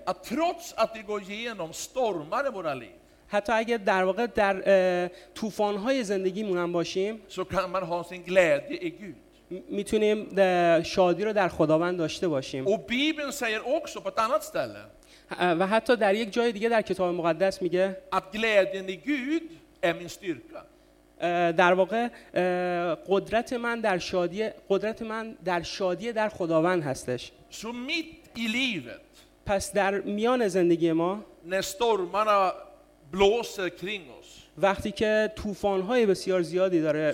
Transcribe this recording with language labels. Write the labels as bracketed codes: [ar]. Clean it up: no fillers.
[sv] att trots att vi går igenom stormar i våra liv. [fa] حتی اگه در واقع در طوفان‌های زندگیمون هم باشیم [sv] så kan man ha sin glädje i Gud. [fa] میتونیم شادی رو در خداوند داشته باشیم. [sv] Och Bibeln säger också på ett annat ställe. [fa] و حتی در یک جای دیگه در کتاب مقدس میگه [sv] att glädjen i Gud är min styrka. [fa] در واقع قدرت من در شادی قدرت من در شادی در خداوند هستش. [sv] So mitt i livet. [fa] پس در میان زندگی ما نستورمانا بلوسر کرینگ اس. وقتی که طوفان‌های بسیار زیادی داره